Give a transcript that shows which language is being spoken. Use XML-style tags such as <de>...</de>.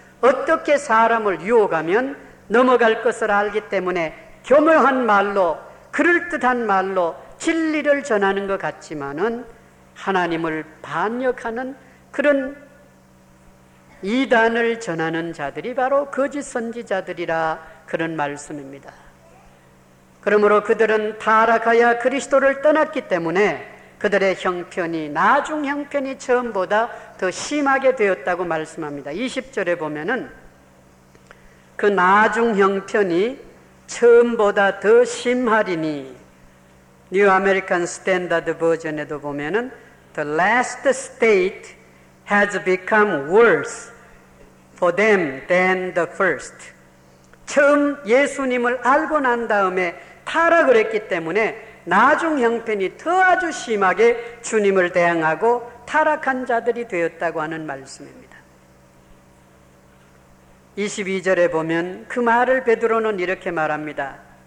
<ko>어떻게 사람을 유혹하면 넘어갈 것을 알기 때문에 교묘한 말로, 그럴듯한 말로 진리를 전하는 것 같지만은 하나님을 반역하는 그런 이단을 전하는 자들이 바로 거짓 선지자들이라 그런 말씀입니다. 그러므로 그들은 타락하여 그리스도를 떠났기 때문에 그들의 형편이, 나중 형편이 처음보다 더 심하게 되었다고 말씀합니다. 20절에 보면은 그 나중 형편이 처음보다 더 심하리니, New American Standard Version에도 보면은</ko> <en>The last state has become worse for them than the first.</en> <ko>처음 예수님을 알고 난 다음에 타락을 했기 때문에 나중 형편이 더 아주 심하게 주님을 대항하고 타락한 자들이 되었다고 하는 말씀입니다. 22절에 보면 그 말을 베드로는 이렇게 말합니다.</ko>